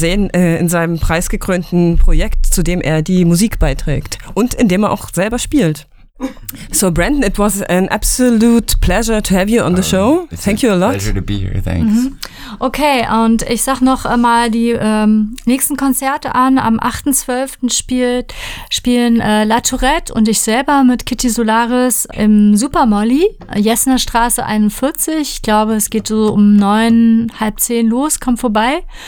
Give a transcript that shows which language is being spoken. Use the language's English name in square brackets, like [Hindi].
[German] Sehen in seinem preisgekrönten Projekt, zu dem er die Musik beiträgt und in dem er auch selber spielt. [English] So Brandon, it was an absolute pleasure to have you on the show. Thank you a lot. Pleasure to be here, thanks. Mm-hmm. [German] Okay, und ich sag noch mal die nächsten Konzerte an. Am 8.12. spielen La Tourette und ich selber mit Kitty Solaris im Super Molly, Jessener Straße 41. Ich glaube, es geht so um 9:30 los, kommt vorbei.